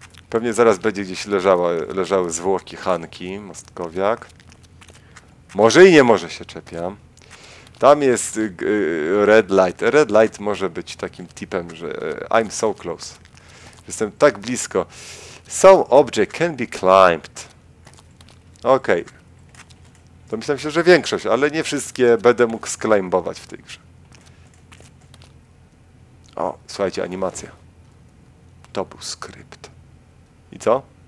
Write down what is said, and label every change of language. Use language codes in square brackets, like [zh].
[pl] Pewnie zaraz będzie gdzieś leżały zwłoki Hanki, Mostkowiak. Może i nie może się czepiam. Tam jest red light. Red light może być takim tipem, że [en] I'm so close. [pl] Jestem tak blisko. [en] Some object can be climbed. Okej. Okay. [pl] Domyślam się, że większość, ale nie wszystkie będę mógł sklimbować w tej grze. O, słuchajcie, animacja. To był skrypt. I co?